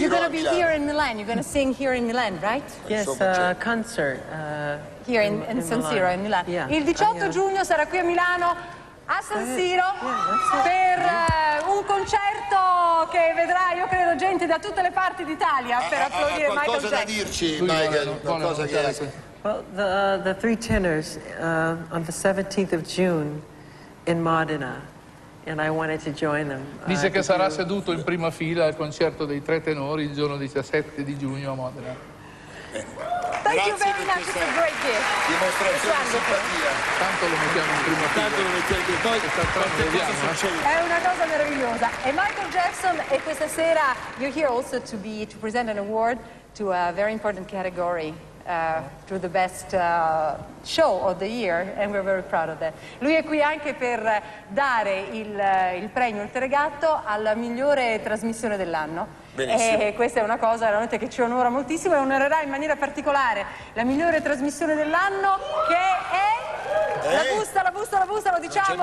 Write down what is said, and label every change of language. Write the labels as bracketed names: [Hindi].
[English] You're going to be here in Milan. You're going to sing here in Milan, right? Yes, a concert here in San Siro in Milan. Yeah. [Italian] Il 18 giugno sarà qui a Milano a San Siro per un concerto che vedrà, io credo, gente da tutte le parti d'Italia per applaudire Michael Jackson. Qualcosa da dirci, Michael? Qualcosa che hai? [English] Well, the three tenors on the 17th of June in Modena. And I wanted to join them. [Italian] Dice che sarà seduto in prima fila al concerto dei tre tenori il giorno 17 di giugno a Modena. [English] Thank you very much, it's a great gift. [Italian] Dimostrazione di simpatia. Tanto lo mettiamo in prima fila. Tanto lo mettiamo anche noi. È una cosa meravigliosa. E Michael Jackson, e questa sera [English] you're here also to present an award to a very important category. To the best show of the year, and we're very proud of that. [Italian] Lui è qui anche per dare il premio, il tregatto, alla migliore trasmissione dell'anno. Benissimo. E questa è una cosa veramente che ci onora moltissimo e onorerà in maniera particolare la migliore trasmissione dell'anno, che è la busta, lo diciamo,